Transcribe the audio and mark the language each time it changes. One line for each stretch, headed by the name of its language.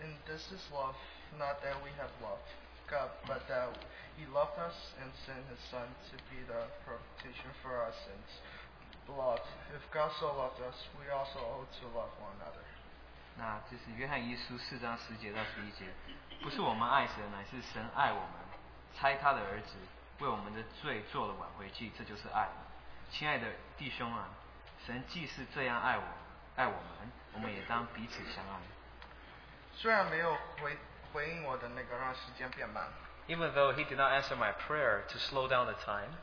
English: And this is love, not that we have loved God, but that He loved us and sent His Son to be the propitiation for our sins. Blood. If God so loved us, we also ought to love one another.
Chinese: 那就是约翰一书四章十节到十一节，不是我们爱神，乃是神爱我们，差他的儿子为我们的罪做了挽回祭，这就是爱。亲爱的弟兄啊，神既是这样爱我们，我们也当彼此相爱。虽然没有回应我的那个让时间变慢，
English: Even though He did not answer my prayer to slow down the time,